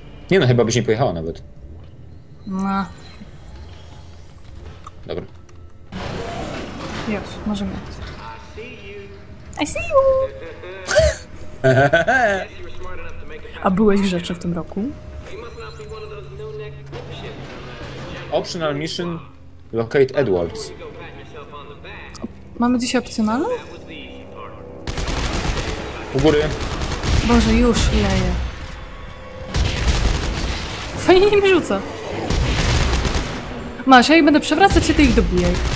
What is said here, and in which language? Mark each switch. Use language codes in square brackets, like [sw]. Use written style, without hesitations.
[pl] Nie no, chyba byś nie pojechała nawet. No. Dobra. Już, możemy jechać. [en] I see you! [pl] A byłeś w rzeczy w tym roku? [en] Optional mission, locate Edwards. [pl] Mamy dzisiaj opcjonalne? U góry. Boże, już leje. Fajnie, nie rzuca. Masz, ja jej będę przewracać, się ty ich dobijaj.